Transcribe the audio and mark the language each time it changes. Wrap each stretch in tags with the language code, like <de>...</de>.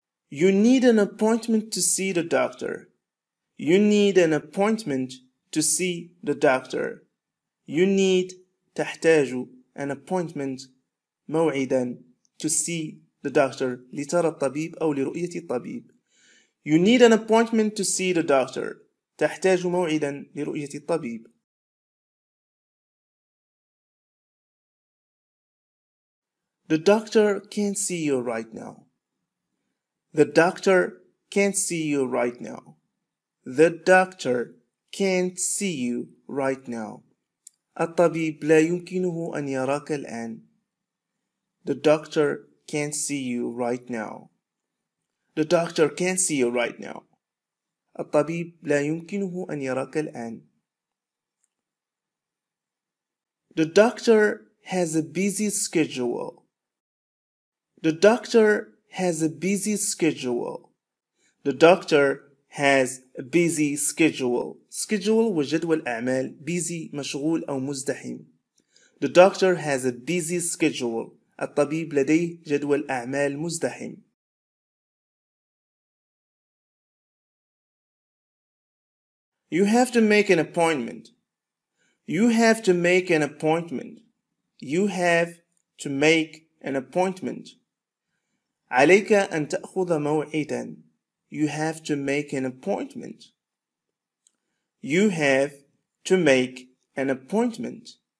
<en>You need an appointment to see the doctor. You need an appointment to see the doctor. You need,</en> <ar>تحتاج,</ar> <en>an appointment,</en> <ar>موعدا.</ar> <en>To see the doctor,</en> <ar>لترى الطبيب أو لرؤية الطبيب.</ar> <en>You need an appointment to see the doctor.</en> <ar>تحتاج موعدا لرؤية الطبيب.</ar> <en>The doctor can't see you right now. The doctor can't see you right now. The doctor can't see you right now.</en> <ar>الطبيب لا يمكنه أن يراك الآن.</ar> <en>The doctor can't see you right now. The doctor can't see you right now.</en> <ar>الطبيب لا يمكنه أن يراك الآن.</ar> <en>The doctor has a busy schedule. The doctor has a busy schedule. The doctor has a busy schedule.</en> <ar>Schedule وجدول أعمال. Busy مشغول أو مزدحم.</ar> <en>The doctor has a busy schedule.</en> <ar>الطبيب لديه جدول أعمال مزدحم.</ar> <en>You have to make an appointment. You have to make an appointment. You have to make an appointment.</en> <ar>عليك أن تأخذ موعدا.</ar> <en>You have to make an appointment. You have to make an appointment.</en>